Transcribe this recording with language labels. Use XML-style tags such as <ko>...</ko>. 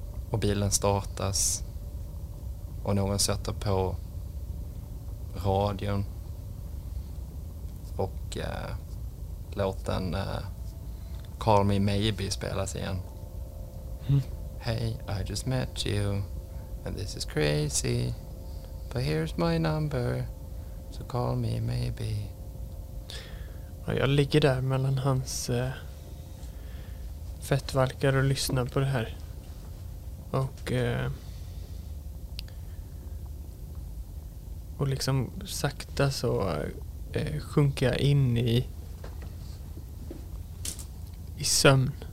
<sv>Och bilen startas och någon sätter på radion och låten Call Me Maybe spelas igen. Mm.</sv> <en>Hey, I just met you and this is crazy, but here's my number, so call me maybe.</en> <sv>Och jag ligger där mellan hans fettvalkar och lyssnar på det här. Och och liksom sakta så sjunker jag in i sömn.</sv>